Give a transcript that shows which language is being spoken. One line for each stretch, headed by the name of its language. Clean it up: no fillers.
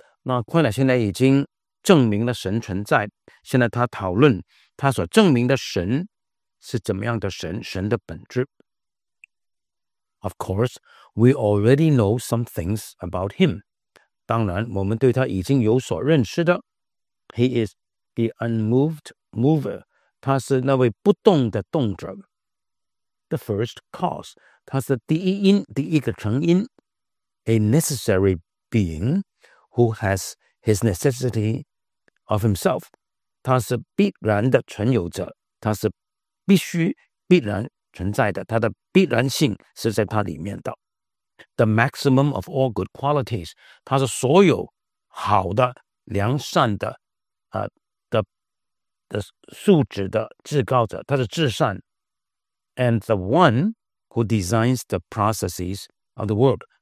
Chinese: 那奎那现在已经证明了神存在，现在他讨论他所证明的神是怎么样的神，神的本质。
English: Of course, we already know some things about him.
Chinese: 当然，我们对他已经有所认识的。
English: He is the unmoved mover.
Chinese: 他是那位不动的动者。
English: The first cause.
Chinese: 他是第一因，第一个成因。
English: A necessary being who has his necessity of himself.
Chinese: 他是必然的存有者，他是必须必然存在的，他的必然性是在他里面的。
English: The maximum of all good qualities.
Chinese: 他是所有好的、良善的、的素质的至高者，他是至善。
English: And the one who designs the processes of the world.